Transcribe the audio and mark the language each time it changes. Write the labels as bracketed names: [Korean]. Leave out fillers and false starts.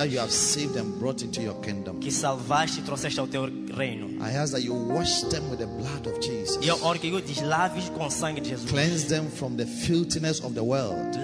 [English] That you have saved and brought into your kingdom. [Portuguese] Que salvaste e trouxeste ao teu reino. [English] I ask that you wash them with the blood of Jesus. [Portuguese] Eu oro que os laves com o sangue de Jesus. [English] Cleanse them from the filthiness of the world.